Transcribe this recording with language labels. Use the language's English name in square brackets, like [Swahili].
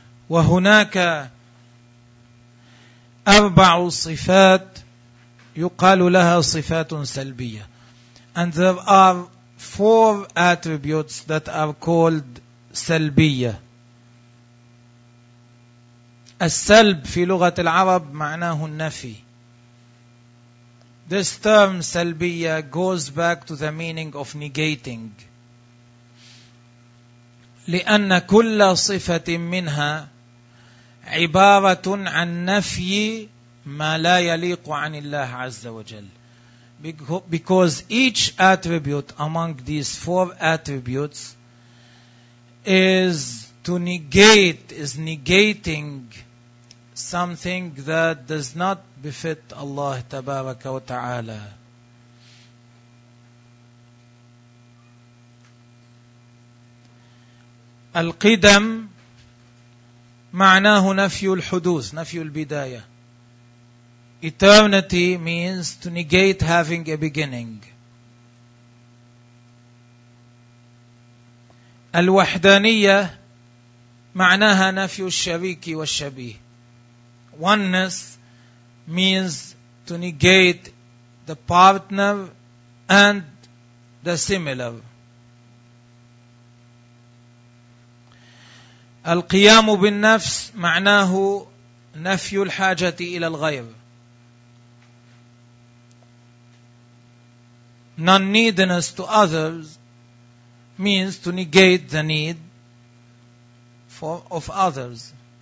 [Arabic] وهناك أربع صفات يقال لها صفات سلبية. [English] And there are four attributes that are called سلبية. [Arabic] السلب في لغة العرب معناه النفي. [English] This term سلبية goes back to the meaning of negating. [Arabic] لأن كل صفة منها عبارة عن نفي ما لا يليق عن الله عز وجل. [English] Because each attribute among these four attributes is to negate, is negating something that does not befit Allah [Arabic] تبارك وتعالى. القدم معناه نفي الحدوث, نفي البداية. [English] Eternity means to negate having a beginning. [Arabic] الوحدانية معناها نفي الشريك والشبيه. [English] Oneness means to negate the partner and the similar. [Arabic] القيام بالنفس معناه نفي الحاجة إلى الغير. [English] Non-neediness to others means to negate the need of others.